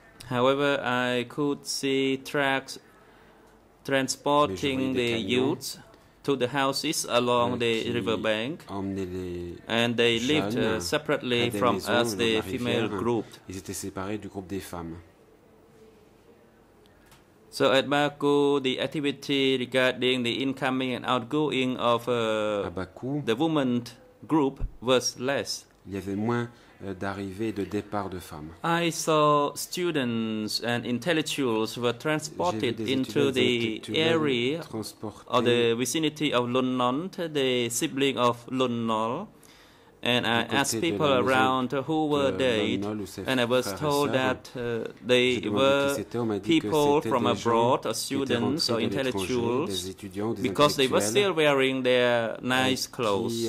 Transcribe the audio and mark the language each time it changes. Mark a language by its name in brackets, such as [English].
[English] However, I could see tracks transporting the youths to the houses along the riverbank, and they lived separately from us, the female group. [French] Ils étaient séparés du groupe des femmes. [English] So at Baku, the activity regarding the incoming and outgoing of Baku, the woman group was less. [French] Il y avait moins d'arrivées et de départs de femmes. [English] I saw students and intellectuals were transported into the area or the vicinity of Lun Nol, the sibling of Lun Nol, and I asked people around who were they, and I was told that they were people from abroad, or students or intellectuals, because they were still wearing their nice clothes.